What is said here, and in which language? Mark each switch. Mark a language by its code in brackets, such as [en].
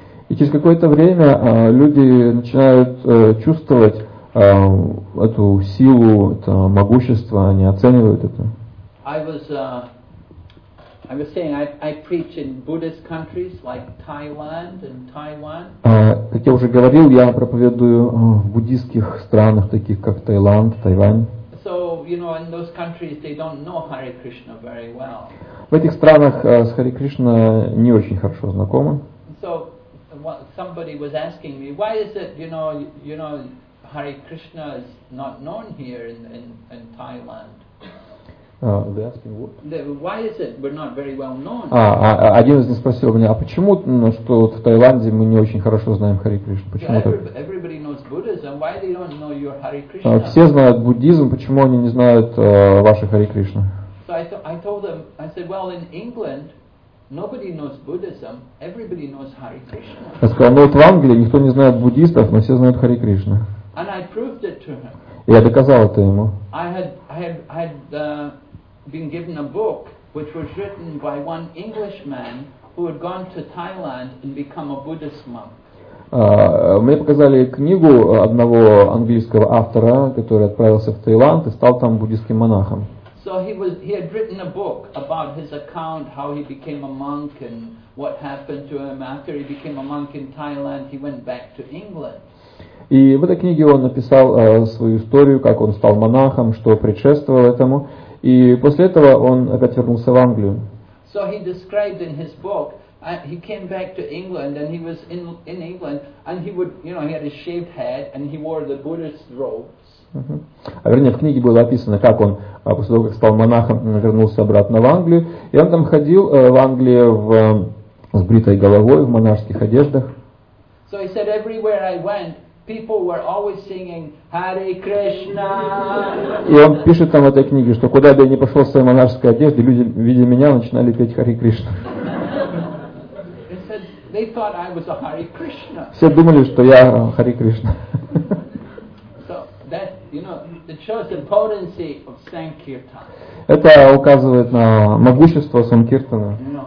[ru] И через какое-то время люди начинают чувствовать эту силу, это могущество, они оценивают это. [en] I was saying I preach in Buddhist countries like Thailand and Taiwan. [ru] Как я уже говорил, я проповедую в буддийских странах, таких как Таиланд, Тайвань. [en] So, you know, in those countries they don't know Hare Krishna very well. [ru] В этих странах с Харе Кришна не очень хорошо знакомы. [en] So, somebody was asking me, why is it, you know, Hare Krishna is not known here in Thailand? They're asking what? Why is it we're not very well known? [ru] Один из них спросил меня, а почему, ну, что в Таиланде мы не очень хорошо знаем Харе Кришну? Почему так? [en] Everybody knows Buddhism, why they don't know your Hare Krishna? [ru] Все знают буддизм, почему они не знают ваши Харе Кришна? [en] So I told them, I said, well, in England, nobody knows Buddhism, everybody knows Hare Krishna. [ru] Я сказал, ну вот в Англии никто не знает буддистов, но все знают Харе Кришна. [en] And I proved it to him. [ru] Я доказал это ему. [en] I had been given a book which was written by one Englishman who had gone to Thailand and become a Buddhist monk. [ru] Мне показали книгу одного английского автора, который отправился в Таиланд и стал там буддийским монахом. [en] So he had written a book about his account, how he became a monk and what happened to him after he became a monk in Thailand. He went back to England. [ru] И в этой книге он написал свою историю, как он стал монахом, что предшествовало этому. И после этого он опять вернулся в Англию. [en] So he described in his book, he came back to England, and he was in England, and he would, you know, he had a shaved head, and he wore the Buddhist robes. [ru] А вернее, в книге было описано, как он после того, как стал монахом, вернулся обратно в Англию. И он там ходил в Англии с бритой головой, в монашеских одеждах. [en] So he said, everywhere I went, people were always singing Hare Krishna. [ru] И он пишет там в этой книге, что куда бы я ни пошел в своей монашеской одежде, люди, видя меня, начинали петь Hare Krishna. [en] They thought I was a Hare Krishna. [ru] Все думали, что я Hare Krishna. [en] So that, you know, it shows the potency of Sankirtan. [ru] Это указывает на могущество Санкиртана.